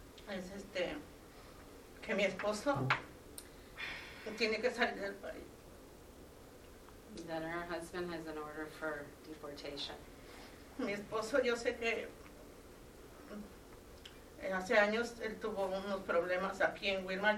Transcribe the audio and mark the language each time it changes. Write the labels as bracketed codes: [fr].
[es] Es este, que mi esposo tiene que salir del país. [en] That her husband has an order for deportation. [es] Mi esposo, yo sé que hace años él tuvo unos problemas aquí en Wilmar.